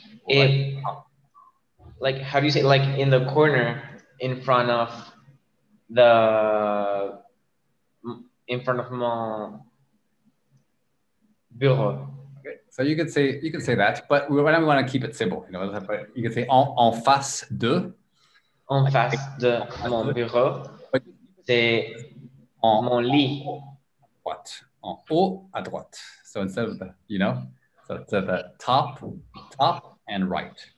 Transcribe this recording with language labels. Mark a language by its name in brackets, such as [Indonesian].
[English] Et, like, how do you say, like, in the corner, in front of [French] mon bureau. [English] So you could say that, but we want to keep it simple. You know, you could say [French] en face de. En face de mon bureau, c'est mon lit. What? En haut à droite. [English] So instead of the, you know, so to the top and right.